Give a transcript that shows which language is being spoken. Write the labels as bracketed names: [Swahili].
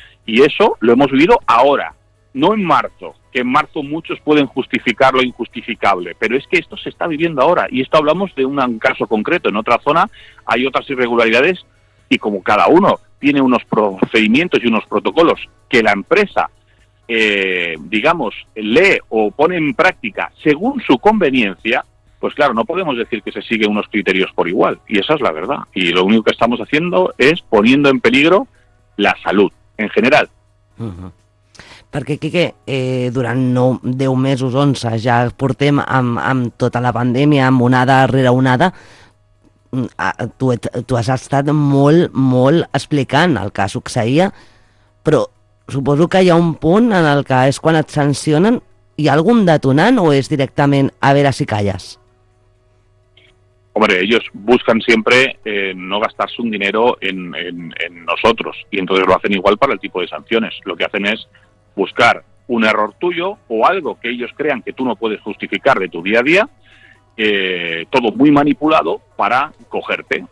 [Spanish] Y eso lo hemos vivido ahora, no en marzo, que en marzo muchos pueden justificar lo injustificable, pero es que esto se está viviendo ahora, y esto hablamos de un caso concreto. En otra zona hay otras irregularidades, y como cada uno tiene unos procedimientos y unos protocolos que la empresa, digamos, lee o pone en práctica según su conveniencia, pues claro, no podemos decir que se siguen unos criterios por igual, y esa es la verdad. Y lo único que estamos haciendo es poniendo en peligro la salud en general. Uh-huh. [Catalan] Perquè, Quique, durant 9, 10 mesos, 11, ja portem amb tota la pandèmia, amb onada rere onada, tu has estat molt, molt explicant el que succeïa, però suposo que hi ha un punt en el que és quan et sancionen, hi ha algun detonant o és directament a veure si calles? [Spanish] Hombre, ellos buscan siempre no gastarse un dinero en nosotros, y entonces lo hacen igual para el tipo de sanciones. Lo que hacen es buscar un error tuyo o algo que ellos crean que tú no puedes justificar de tu día a día, todo muy manipulado para cogerte.